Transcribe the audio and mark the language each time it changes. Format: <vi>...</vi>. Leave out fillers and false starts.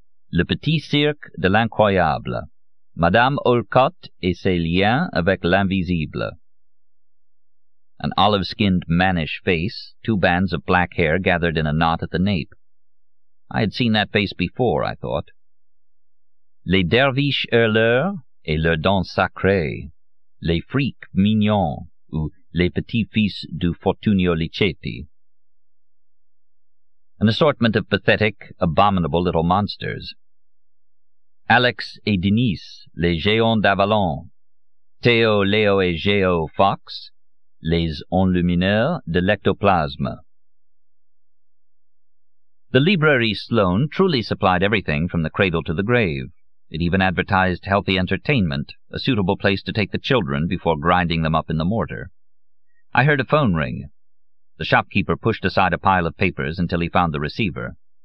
<fr>Le petit cirque de l'incroyable. Madame Olcott et ses liens avec l'invisible.</fr> <en>An olive-skinned, mannish face, 2 bands of black hair gathered in a knot at the nape. I had seen that face before, I thought.</en> <fr>Les derviches hurleurs et leurs dents sacrées. Les freaks mignons ou les petits fils du Fortunio Licetti.</fr> <en>An assortment of pathetic, abominable little monsters.</en> <fr>Alex et Denise, les géants d'Avalon. Théo, Léo et Géo Fox, les enlumineurs de l'ectoplasme.</fr> <en>The Library Sloane truly supplied everything from the cradle to the grave. It even advertised healthy entertainment, a suitable place to take the children before grinding them up in the mortar. I heard a phone ring. The shopkeeper pushed aside a pile of papers until he found the receiver.</en>